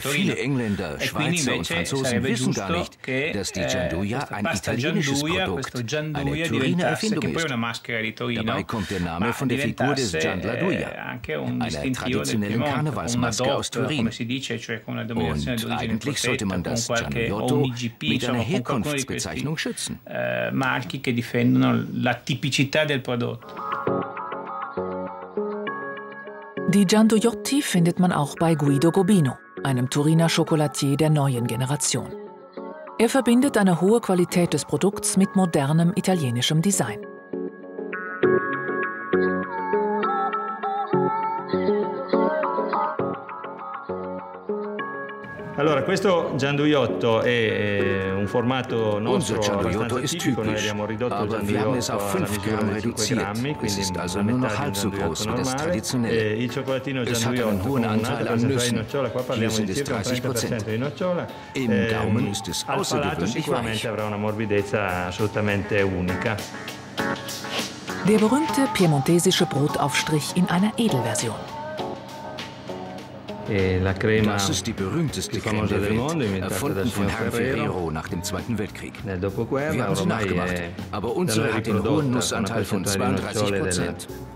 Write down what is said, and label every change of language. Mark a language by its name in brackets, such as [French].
[German] viele Engländer, Schweizer und Franzosen wissen gar nicht, dass die Gianduja ein italienisches Produkt, eine Turiner Erfindung ist. Dabei kommt der Name von der Figur des Gianduja, einer traditionellen Karnevalsmaske aus Turin. Und eigentlich sollte man das Gianduotto mit einer Herkunftsbezeichnung schützen. [Italian] Marchi che difendono la tipicità del prodotto. [German] Die Gianduiotti findet man auch bei Guido Gobino, einem Turiner Schokolatier der neuen Generation. Er verbindet eine hohe Qualität des Produkts mit modernem italienischem Design. [Italian] Allora, questo Gianduiotto è un formato nostro abbastanza tipico, noi abbiamo ridotto il Gianduiotto a 5 grammi, quindi la metà di un Gianduiotto normale. Il cioccolatino Gianduiotto con un'altra percentuale di nocciola, qua parliamo di circa 30% di nocciola. Al palato sicuramente avrà una morbidezza assolutamente unica. [German] Der berühmte piemontesische Brotaufstrich in einer Edelversion. [Italian] La crema, [German] das ist die berühmteste Creme der Welt, erfunden von Herrn Ferrero nach dem Zweiten Weltkrieg. [Italian] Dopoguerra, [German] wir haben sie nachgemacht, aber unsere hat den hohen Nussanteil von 32%.